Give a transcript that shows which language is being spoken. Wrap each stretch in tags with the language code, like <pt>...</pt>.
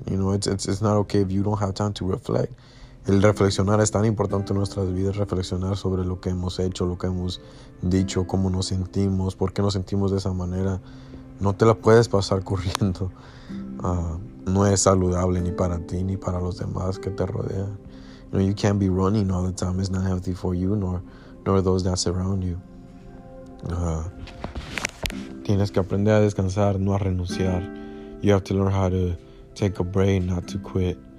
<en>It's not okay if you don't have time to reflect.</en> <es>El reflexionar es tan importante en nuestras vidas, reflexionar sobre lo que hemos hecho, lo que hemos dicho, cómo nos sentimos, por qué nos sentimos de esa manera. No te la puedes pasar corriendo. No es saludable ni para ti ni para los demás que te rodean.</es> <en>You can't be running all the time. It's not healthy for you nor those that surround you.</en> <es>Tienes que aprender a descansar, no a renunciar.</es> <en>You have to learn how to take a break, not to quit.</en>